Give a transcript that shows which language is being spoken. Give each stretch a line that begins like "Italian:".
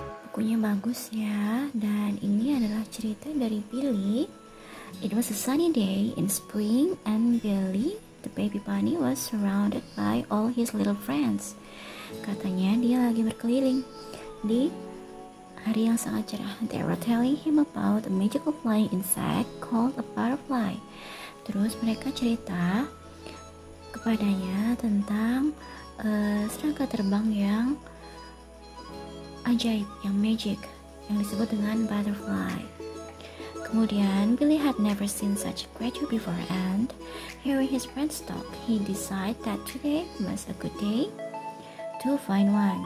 Indonesian: Bukunya bagus ya, dan ini adalah cerita dari Billy.
English: It was a sunny day in spring, and Billy, the baby bunny, was surrounded by all his little friends.
Indonesian: Katanya dia lagi berkeliling di hari yang sangat cerah.
English: They were telling him about a magical flying insect called a butterfly.
Indonesian: Terus mereka cerita kepadanya tentang serangga terbang yang ajaib, yang magic, yang disebut dengan butterfly.
English: Kemudian Billy had never seen such a creature before, and hearing his friends talk, he decided that today was a good day to find one.